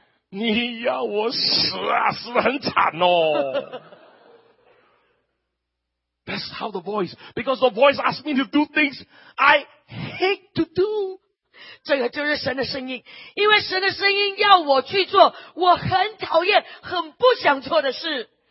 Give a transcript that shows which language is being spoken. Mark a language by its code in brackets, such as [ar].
[zh] 你要我死啊，死得很惨哦。 [en] That's how the voice, because the voice asks me to do things I hate to do. [zh] 这个就是神的声音，因为神的声音要我去做我很讨厌很不想做的事。